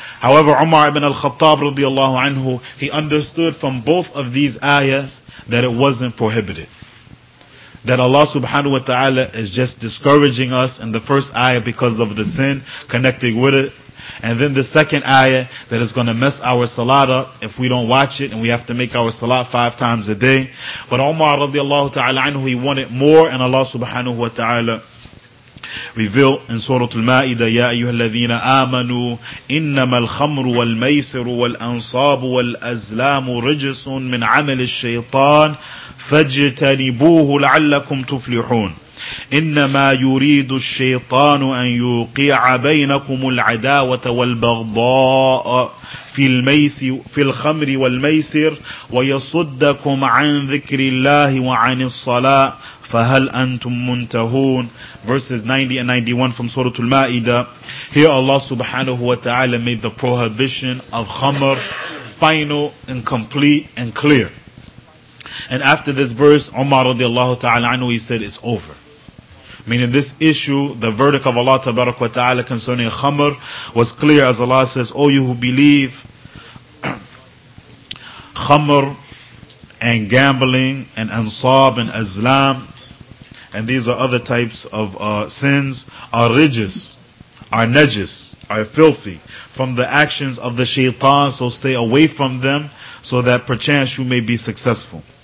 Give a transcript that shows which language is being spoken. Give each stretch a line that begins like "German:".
English: However, Umar ibn al-Khattab radiallahu anhu, he understood from both of these ayahs that it wasn't prohibited. That Allah subhanahu wa ta'ala is just discouraging us in the first ayah because of the sin connecting with it. And then the second ayah that is going to mess our salat up if we don't watch it and we have to make our salat five times a day. But Umar radiallahu ta'ala anhu, he wanted more, and Allah subhanahu wa ta'ala reveal in Surah Al-Ma'idah,
Arabic: يَا أَيُّهَا الَّذِينَ آمَنُوا إِنَّمَا الْخَمْرُ وَالْمَيْسِرُ وَالْأَنصَابُ وَالْأَزْلَامُ رِجْسٌ مِّنْ عَمَلِ الشَّيْطَانِ فَاجْتَنِبُوهُ لَعَلَّكُمْ تُفْلِحُونَ إِنَّمَا يُرِيدُ الشَّيْطَانُ أَن يُوقِعَ بَيْنَكُمُ الْعَدَاوَةَ وَالْبَغْضَاءَ في الخمر والميسر ويصدكم عن ذكر الله وعن الصلاة فهل أنتم منتهون.
English: Verses 90 and 91 from Surah Al-Ma'idah. Here Allah subhanahu wa ta'ala made the prohibition of khamr final and complete and clear. And after this verse, Umar radiallahu ta'ala anhu, he said it's over. Meaning this issue, the verdict of Allah tabarak wa ta'ala concerning khamr was clear, as Allah says, O you who believe, khamr and gambling and ansab and azlam, and these are other types of sins, are rijis, are najis, are filthy from the actions of the shaitan, so stay away from them so that perchance you may be successful.